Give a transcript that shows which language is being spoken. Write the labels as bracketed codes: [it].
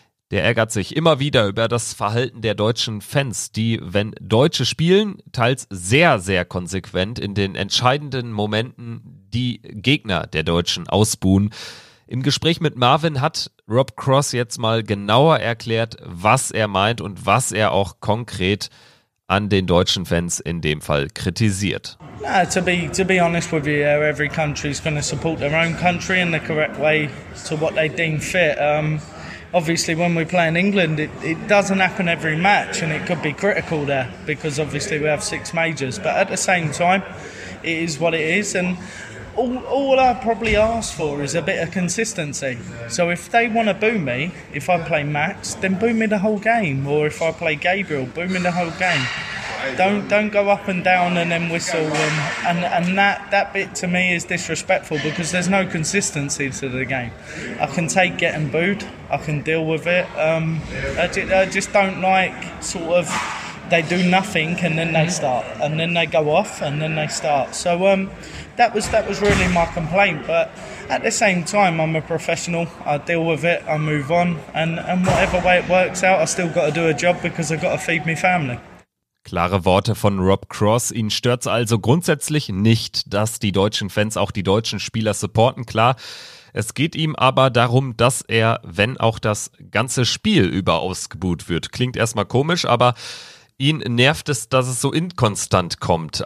[de] Der ärgert sich immer wieder über das Verhalten der deutschen Fans, die, wenn Deutsche spielen, teils sehr, sehr konsequent in den entscheidenden Momenten die Gegner der Deutschen ausbuhen. Im Gespräch mit Marvin hat Rob Cross jetzt mal genauer erklärt, was er meint und was er auch konkret an den deutschen Fans in dem Fall kritisiert. [en] To be honest with you, every country is going to support their own country in the correct way to what they deem fit. Obviously, when we play in England, it doesn't happen every match, and it could be critical there because obviously we have 6 majors. But at the same time, it is what it is, and all I probably ask for is a bit of consistency. So if they want to boo me, if I play Max, then boo me the whole game, or if I play Gabriel, boo me the whole game. Don't go up and down and then whistle, and that bit to me is disrespectful because there's no consistency to the game. I can take getting booed, I can deal with it. I just don't like sort of they do nothing and then they start and then they go off and then they start. So that was really my complaint, but at the same time I'm a professional, I deal with it, I move on, and whatever way it works out, I still got to do a job because I got to feed my family. [de] Klare Worte von Rob Cross. Ihn stört's also grundsätzlich nicht, dass die deutschen Fans auch die deutschen Spieler supporten, klar. Es geht ihm aber darum, dass er, wenn auch das ganze Spiel über ausgebuht wird, klingt erstmal komisch, aber ihn nervt es, dass es so inkonstant kommt.